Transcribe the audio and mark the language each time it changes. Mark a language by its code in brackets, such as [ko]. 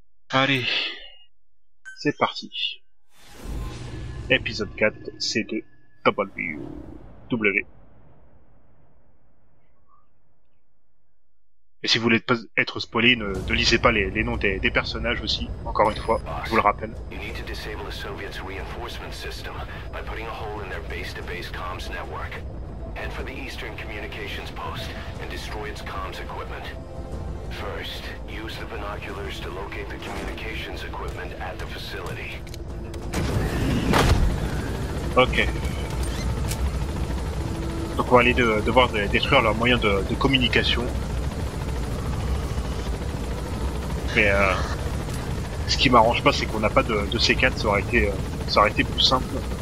[fr] Allez, c'est parti. Épisode 4, C2W. Et si vous voulez pas être spoilé, ne lisez pas les noms des personnages aussi, encore une fois, je vous le rappelle. [en] You need to disable the Soviets' reinforcement system by putting a hole in their base-to-base comms network. Head for the Eastern Communications Post and destroy its comms equipment. First, use the binoculars to locate the communications equipment at the facility. [fr] Ok. Donc on va aller devoir détruire leurs moyens de communication. Mais ce qui m'arrange pas, c'est qu'on n'a pas de C4, ça aurait été plus simple.